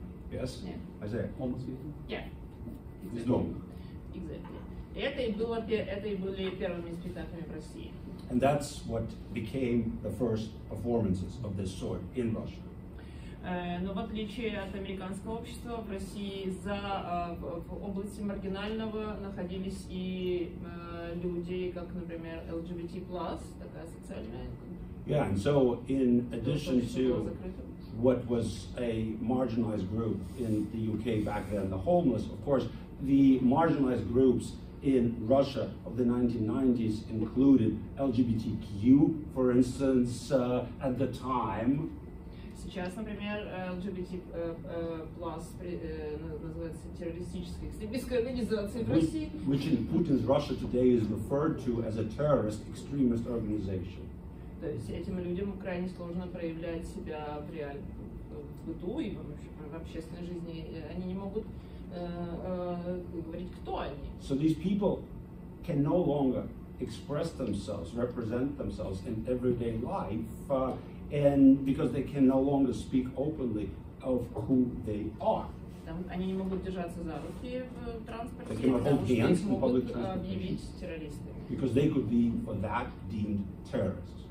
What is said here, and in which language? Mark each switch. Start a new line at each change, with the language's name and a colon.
English: Yes? Yeah. Isaiah? Homeless people? Yeah. Exactly. And that's what became the first performances of this sort in Russia.
Russian: Но в отличие от американского общества, в России за в области маргинального находились и люди, как, например, LGBT+, такая социальная.
English: Yeah, and so in addition to what was a marginalized group in the UK back then, the homeless, of course, the marginalized groups in Russia of the 1990s included LGBTQ, for instance, at the time.
Russian: Сейчас, например, LGBT plus называется
English: which in Putin's Russia today is referred to as a terrorist extremist organization.
Russian: То есть этим людям крайне сложно проявлять себя в быту и в общественной жизни. Они не могут говорить, кто они.
English: So these people can no longer express themselves, represent themselves in everyday life, and because they can no longer speak openly of who they are.
Russian: Они не могут держаться за руки в транспорте.
English: They cannot hold hands in public transport. Because they could be, for that, deemed terrorists.